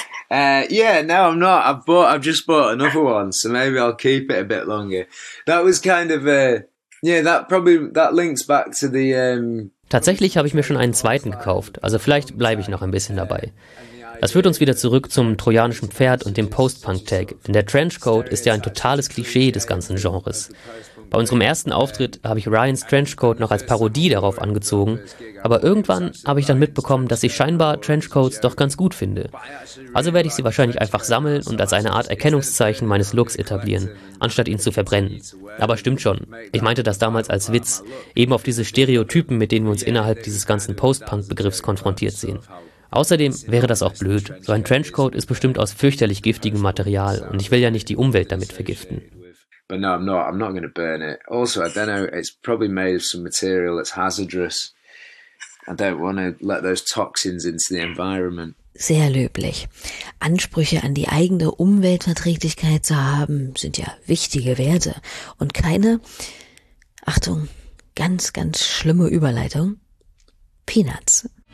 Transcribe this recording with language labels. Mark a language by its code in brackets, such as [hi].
[en] I've just bought another one, so maybe I'll keep it a bit longer. That was kind of a, yeah, that probably, that links back to the, [de] Tatsächlich habe ich mir schon einen zweiten gekauft, also vielleicht bleibe ich noch ein bisschen dabei. Das führt uns wieder zurück zum trojanischen Pferd und dem Post-Punk-Tag, denn der Trenchcoat ist ja ein totales Klischee des ganzen Genres. Bei unserem ersten Auftritt habe ich Ryans Trenchcoat noch als Parodie darauf angezogen, aber irgendwann habe ich dann mitbekommen, dass ich scheinbar Trenchcoats doch ganz gut finde. Also werde ich sie wahrscheinlich einfach sammeln und als eine Art Erkennungszeichen meines Looks etablieren, anstatt ihn zu verbrennen. Aber stimmt schon, ich meinte das damals als Witz, eben auf diese Stereotypen, mit denen wir uns innerhalb dieses ganzen Post-Punk-Begriffs konfrontiert sehen. Außerdem wäre das auch blöd, so ein Trenchcoat ist bestimmt aus fürchterlich giftigem Material und ich will ja nicht die Umwelt damit vergiften. [en] But no, I'm not going to burn it. Also, I don't know, it's probably made of some material that's hazardous. I don't want to let those toxins into the environment. [de] Sehr löblich. Ansprüche an die eigene Umweltverträglichkeit zu haben, sind ja wichtige Werte. Und keine, Achtung, ganz, ganz schlimme Überleitung, Peanuts.